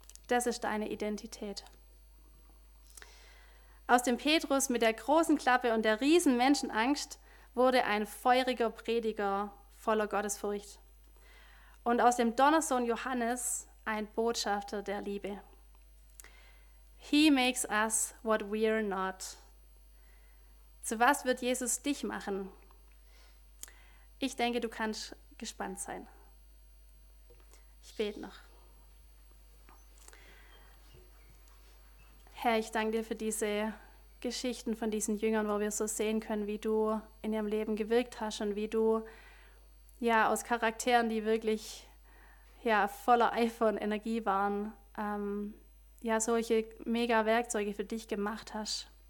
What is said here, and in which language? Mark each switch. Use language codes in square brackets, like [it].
[de] Das ist deine Identität. Aus dem Petrus mit der großen Klappe und der riesen Menschenangst wurde ein feuriger Prediger voller Gottesfurcht. Und aus dem Donnersohn Johannes ein Botschafter der Liebe. [en] He makes us what we're not. [de] Zu was wird Jesus dich machen? Ich denke, du kannst gespannt sein. Ich bete noch. Herr, ich danke dir für diese Geschichten von diesen Jüngern, wo wir so sehen können, wie du in ihrem Leben gewirkt hast und wie du ja, aus Charakteren, die wirklich ja, voller Eifer und Energie waren, ja, solche mega Werkzeuge für dich gemacht hast.